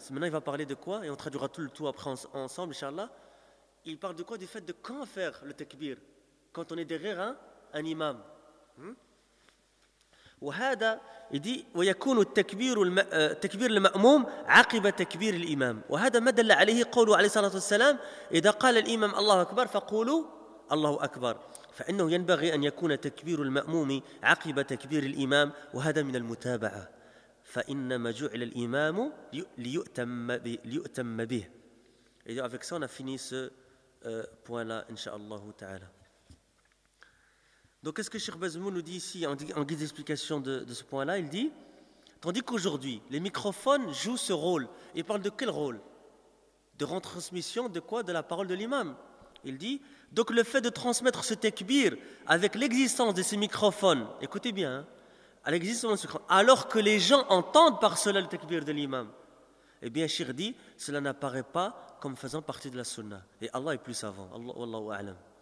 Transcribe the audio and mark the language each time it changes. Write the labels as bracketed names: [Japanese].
[French] Maintenant il va parler de quoi, et on traduira tout le tout après ensemble inchallah. Il parle de quoi? Du fait de quand faire le takbir, quand on est derrière un imam. [Arabic] وهذا يدي ويكون التكبير تكبير المأموم عقب تكبير الإمام وهذا ما دل عليه قوله عليه الصلاة والسلام إذا قال الإمام الله أكبر فقولوا الله أكبر فإنه ينبغي أن يكون تكبير المأموم عقب تكبير الإمام وهذا من المتابعة فإنما جعل الإمام ليؤتم به. [French] Et avec ça on a fini ce point là inshallah ta'ala. Donc qu'est-ce que Cheikh Bazmou nous dit ici en guise d'explication de ce point-là? Il dit, tandis qu'aujourd'hui, les microphones jouent ce rôle. Il parle de quel rôle? De retransmission de quoi? De la parole de l'imam. Il dit, donc le fait de transmettre ce takbir avec l'existence de ces microphones, écoutez bien, à l'existence de ce microphone, alors que les gens entendent par cela le takbir de l'imam, eh bien Cheikh dit, cela n'apparaît pas comme faisant partie de la sunnah. Et Allah est plus savant. Allah, Wallahu a'lam.